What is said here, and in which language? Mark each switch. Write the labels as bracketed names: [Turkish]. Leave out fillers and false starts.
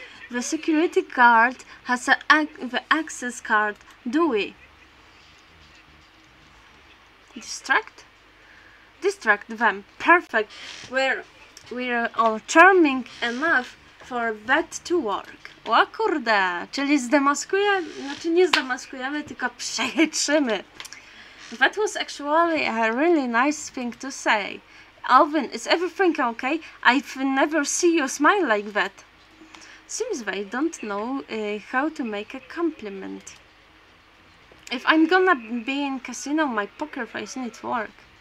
[English] The security guard has the access card, do we? Distract? Distract them. Perfect. We're all charming enough for that to work. [Polish] O kurde, czyli zdemaskujemy, znaczy nie zdemaskujemy, tylko przechytrzymy. [English] That was actually a really nice thing to say. Alvin, is everything okay? I've never seen you smile like that. Seems they don't know how to make a compliment. If I'm gonna be in casino, my poker face needs work.